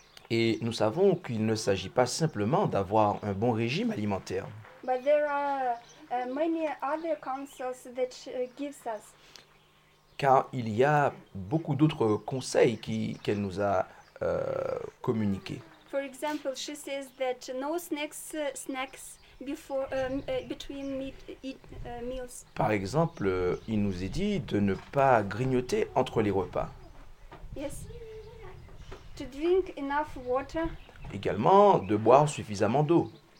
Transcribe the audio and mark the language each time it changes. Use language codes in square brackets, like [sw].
[fr] Et nous savons qu'il ne s'agit pas simplement d'avoir un bon régime alimentaire. [en] But there are many other counsels that gives us. [fr] Car il y a beaucoup d'autres conseils qu'elle nous a communiqués. [en] For example, she says that no snacks before between meals. [fr] Par exemple, il nous est dit de ne pas grignoter entre les repas. [en] Yes. To drink enough water. [fr] Également, de boire suffisamment d'eau.